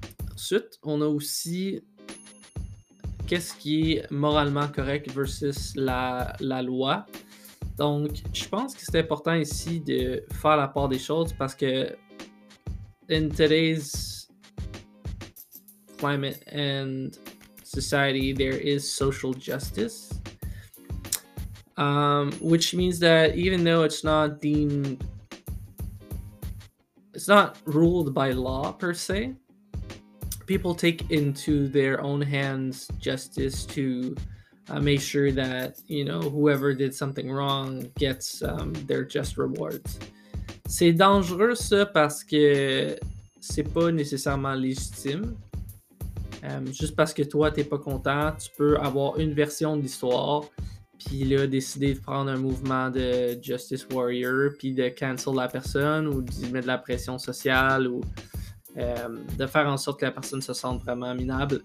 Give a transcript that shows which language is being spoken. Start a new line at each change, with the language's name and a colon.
French: Ensuite, on a aussi qu'est-ce qui est moralement correct versus la loi. Donc, je pense que c'est important ici de faire la part des choses parce que
English: in today's climate and society, there is social justice, which means that even though it's not ruled by law per se, people take into their own hands justice to make sure that, you know, whoever did something wrong gets their just rewards.
French: C'est dangereux ça parce que c'est pas nécessairement légitime. Juste parce que toi, t'es pas content, tu peux avoir une version de l'histoire, puis là, décider de prendre un mouvement de Justice Warrior, puis de cancel la personne, ou d'y mettre de la pression sociale, ou de faire en sorte que la personne se sente vraiment minable.